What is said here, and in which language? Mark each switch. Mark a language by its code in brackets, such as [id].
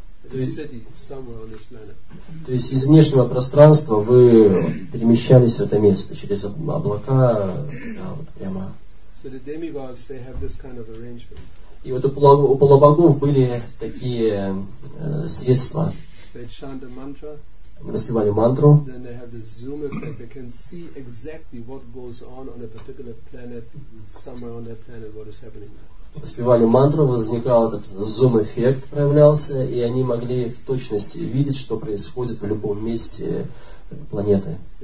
[ru] То есть из внешнего пространства вы перемещались в это место через облака, да, вот прямо. [en] So the demigods, they have this kind of arrangement. [ru] И вот у полубогов были такие средства. [en] They chant a mantra. [ru] Они воспевали мантру. [en] Then they have this zoom effect. They can see exactly what goes on a particular planet, somewhere on that planet, what is happening. [ru] Воспевали мантру, возникал этот зум-эффект, проявлялся, и они могли в точности видеть, что происходит в любом месте планеты.